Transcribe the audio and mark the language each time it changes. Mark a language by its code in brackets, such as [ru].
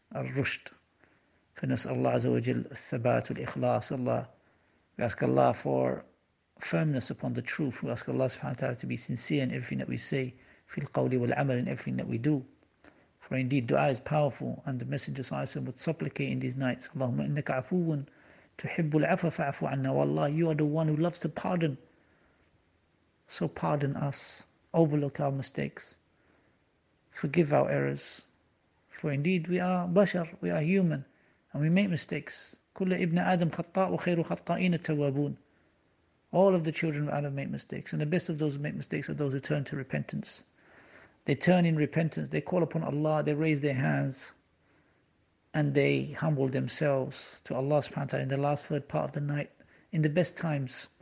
[ar] الرُّشْد. فَنَسْأَلُ اللَّهَ عَزَّ وَجَلَّ الثَّبَاتُ وَالْإِخْلَاصُ. [en] Allah, we ask Allah for firmness upon the truth. We ask Allah subhanahu wa ta'ala to be sincere in everything that we say. [ar] في القول والعمل, [en] in everything that we do. For indeed dua is powerful, and the Messenger [ar] صلى الله عليه وسلم [en] would supplicate in these nights. [ar] اللهم إنك عفو تحب العفو فاعف عنا. [en] والله, you are the one who loves to pardon, so pardon us, overlook our mistakes, forgive our errors. For indeed we are bashar, we are human, and we make mistakes. [ar] كل ابن آدم خطاء وخير خطائين التوابون. [en] All of the children of Adam make mistakes, and the best of those who make mistakes are those who turn to repentance. They turn in repentance, they call upon Allah, they raise their hands, and they humble themselves to Allah subhanahu wa ta'ala in the last third part of the night, in the best times.